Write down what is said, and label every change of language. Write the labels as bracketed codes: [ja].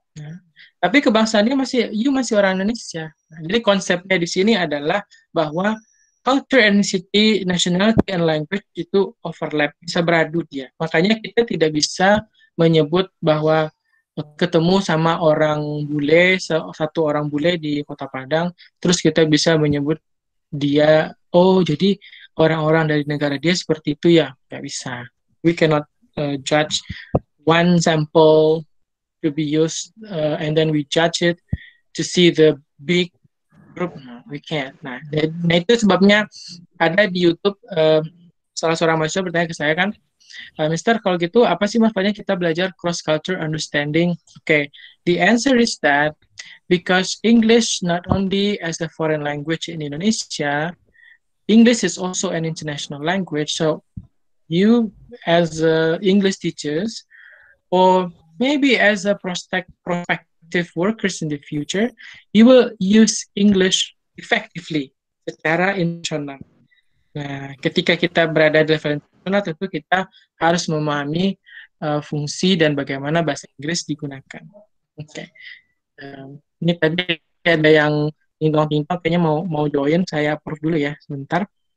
[id] Nah, tapi kebangsaannya masih, you masih orang Indonesia. Nah, jadi konsepnya di sini adalah bahwa [en] culture, ethnicity, nationality, and language [id] itu overlap, bisa beradu dia. Makanya kita tidak bisa menyebut bahwa ketemu sama orang bule, satu orang bule di Kota Padang, terus kita bisa menyebut dia, oh jadi orang-orang dari negara dia seperti itu ya, nggak bisa. [en] We cannot judge one sample to be used and then we judge it to see the big group. We can't. [id] Nah, itu sebabnya ada di YouTube salah seorang mahasiswa bertanya ke saya kan, Mister, kalau gitu apa sih maksudnya kita belajar cross culture understanding? [en] Okay, the answer is that because English not only as a foreign language in Indonesia, English is also an international language. So you as English teachers, or maybe as a prospective workers in the future, you will use English effectively [id] secara internal. Nah, ketika kita berada di level internal, tentu kita harus memahami fungsi dan bagaimana bahasa Inggris digunakan. Okay. Ini tadi ada yang ingin-ingin, kayaknya mau join, saya approve dulu ya, sebentar.